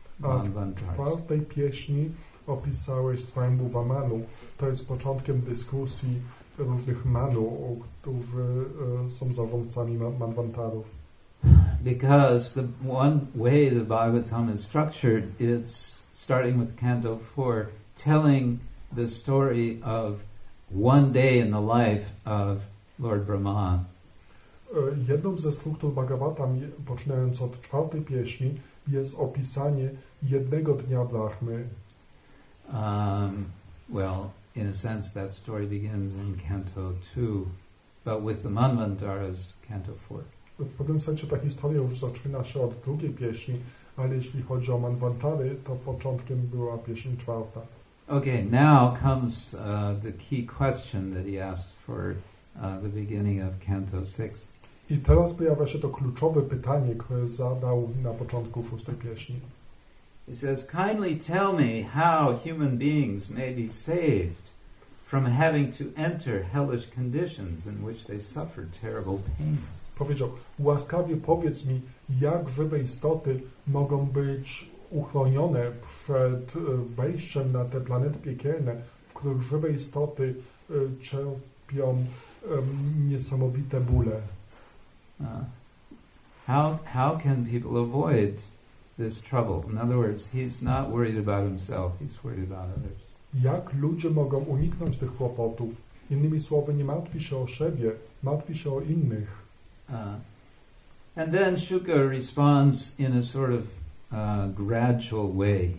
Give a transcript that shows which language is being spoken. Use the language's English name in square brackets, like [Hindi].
[Polish] A w czwartej pieśni opisałeś Svayambhuva Manu, to jest początkiem dyskusji różnych Manu, którzy są zarządcami manvantarów. [English] Because the one way the Bhagavatam is structured, it's starting with canto 4, telling the story of one day in the life of Lord Brahma. [Polish] Jedną ze struktur Bhagavatam, poczynając od czwartej pieśni, jest opisanie jednego dnia Brahmy. [English] Well, in a sense, that story begins in canto 2, but with the Manvantara's canto 4. [Polish] W pewnym sensie ta historia już zaczyna się od drugiej pieśni, ale jeśli chodzi o Manvantary, to początkiem była pieśń czwarta. [English] Okay, now comes the key question that he asked for the beginning of canto 6. [Polish] I teraz pojawia się to kluczowe pytanie, które zadał na początku szóstej pieśni. [English] He says, kindly tell me how human beings may be saved from having to enter hellish conditions in which they suffer terrible pain. [Polish] Powiedział, łaskawie powiedz mi, jak żywe istoty mogą być uchronione przed wejściem na te planety piekielne, w których żywe istoty cierpią niesamowite bóle. [English] How can people avoid this trouble? In other words, he's not worried about himself, he's worried about others. [Polish] Jak ludzie mogą uniknąć tych kłopotów? Innymi słowy, nie martwi się o siebie, martwi się o innych. [English] And then Shuka responds in a sort of gradual way.